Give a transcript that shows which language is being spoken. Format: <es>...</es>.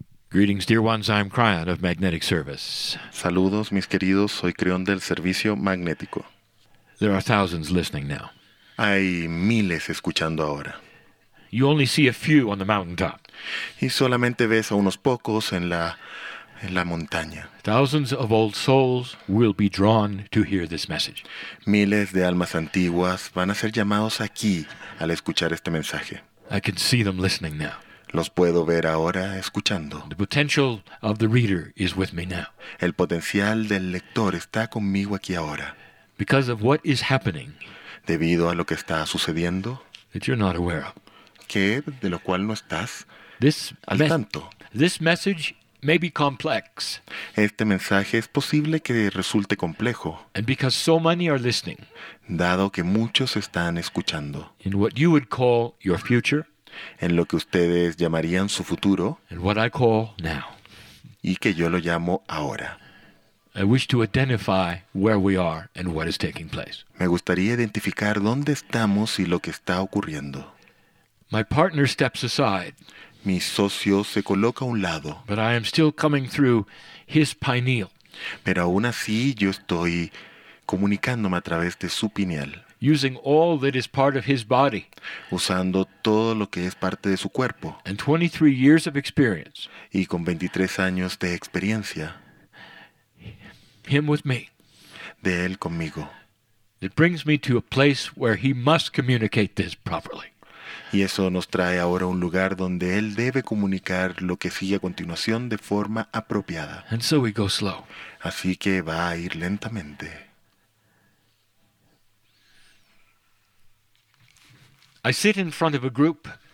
<en>Greetings, dear ones, I'm Kryon of Magnetic Service.</en> <es>Saludos, mis queridos, soy Kryon del Servicio Magnético.</es> <en>There are thousands listening now.</en> <es>Hay miles escuchando ahora.</es> <en>You only see a few on the mountaintop.</en> <es>Y solamente ves a unos pocos en la montaña.</es> <en>Thousands of old souls will be drawn to hear this message.</en> <es>Miles de almas antiguas van a ser llamados aquí al escuchar este mensaje.</es> <en>I can see them listening now.</en> <es>Los puedo ver ahora escuchando.</es> <en>The potential of the reader is with me now.</en> <es>El potencial del lector está conmigo aquí ahora.</es> <en>Because of what is happening.</en> <es>Debido a lo que está sucediendo.</es> <en>That you're not aware of.</en> <es>Que de lo cual no estás this al tanto.</es> <en>This message may be complex.</en> <es>Este mensaje es posible que resulte complejo.</es> <en>And because so many are listening.</en> <es>Dado que muchos están escuchando.</es> <en>In what you would call your future.</en> <es>En lo que ustedes llamarían su futuro.</es> <en>And what I call now.</en> <es>Y que yo lo llamo ahora.</es> <en>I wish to identify where we are and what is taking place.</en> <es>Me gustaría identificar dónde estamos y lo que está ocurriendo.</es> <en>My partner steps aside.</en> <es>Mi socio se coloca a un lado.</es> <en>But I am still coming through his pineal.</en> <es>Pero aún así yo estoy comunicándome a través de su pineal.</es> <en>Using all that is part of his body.</en> <es>Usando todo lo que es parte de su cuerpo.</es> <en>And 23 years of experience.</en> <es>Y con 23 años de experiencia.</es> <en>Him with me.</en> <es>De él conmigo.</es> <en>It brings me to a place where he must communicate this properly.</en> <es>Y eso nos trae ahora a un lugar donde él debe comunicar lo que sigue a continuación de forma apropiada.</es> <en>And so we go slow.</en> <es>Así que va a ir lentamente.</es> <en>I sit in front of a group.</en>